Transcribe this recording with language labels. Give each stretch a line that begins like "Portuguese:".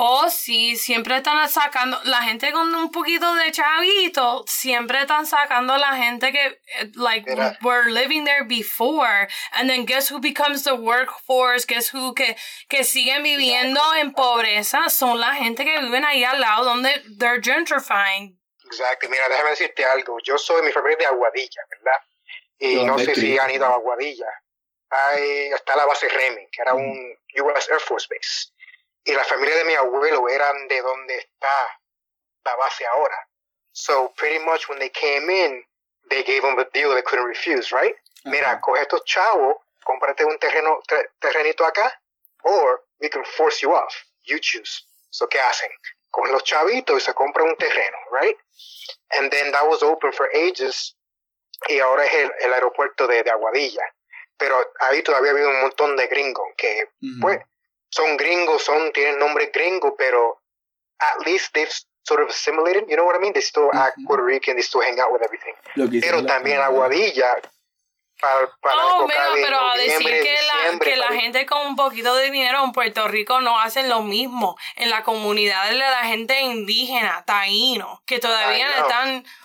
Spanish: Sí, siempre están sacando, la gente con un poquito de chavito, siempre están sacando la gente que, like, mira,
English: were living there before, and then guess who
Spanish: becomes the workforce, guess who, que siguen viviendo en pobreza, son la gente que viven ahí al lado donde
English: they're gentrifying.
Spanish: Exacto, mira, déjame decirte algo, yo soy mi familia de Aguadilla, ¿verdad? Y no sé si han ido a Aguadilla. Ahí está la base Reming, que era un U.S. Air Force Base. Y la familia de mi abuelo eran de donde está la base ahora.
English: So, pretty much when they came in, they gave them a deal they couldn't refuse, right?
Spanish: Uh-huh. Mira, coge estos chavos, cómprate un terrenito acá,
English: or we can force you off. You choose. So,
Spanish: ¿qué hacen? Cogen los chavitos y se compra un terreno,
English: right? And then that was open for ages.
Spanish: Y ahora es el aeropuerto de Aguadilla. Pero ahí todavía había un montón de gringos que, pues, son gringos, tienen nombre gringo, pero
English: at least they've sort of assimilated, you know what I mean? They still act Puerto Rican, they still hang out with everything.
Spanish: Pero también Aguadilla, pero a decir que la gente con un poquito de dinero en Puerto Rico no hacen lo mismo en la comunidad de la gente indígena, taíno, que todavía están...